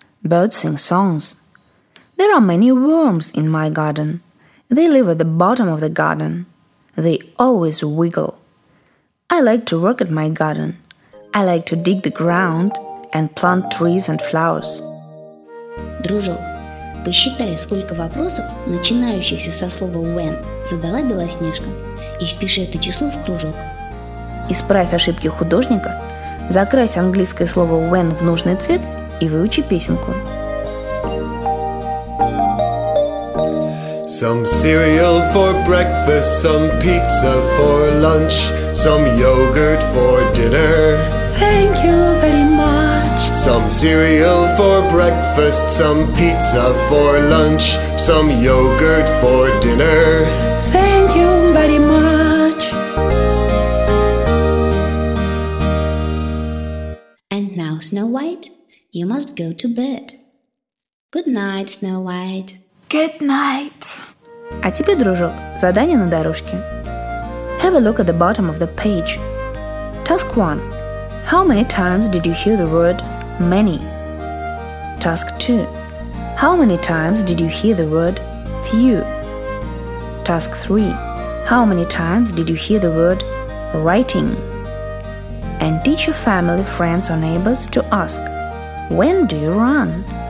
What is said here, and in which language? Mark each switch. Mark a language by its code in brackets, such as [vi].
[en] Birds sing songs. There are many worms in my garden. They live at the bottom of the garden. They always wiggle. I like to work at my garden. I like to dig the ground and plant trees and flowers. [ru] Дружок, посчитай, сколько вопросов, начинающихся со слова when, задала Белоснежка, и впиши это число в кружок. Исправь ошибки художника, закрась английское слово when в нужный цвет и выучи песенку. [en] Some cereal for breakfast, some pizza for lunch, some yogurt for dinner. Thank you very much. Some cereal for breakfast, some pizza for lunch, some yogurt for dinner. Thank you very much. And now, Snow White, you must go to bed. Good night, Snow White. Good night. [ru] А теперь, дружок, задание на дорожке. [en] Have a look at the bottom of the page. Task 1. How many times did you hear the word many? Task 2. How many times did you hear the word few? Task 3. How many times did you hear the word writing? And teach your family, friends or neighbors to ask, when do you run?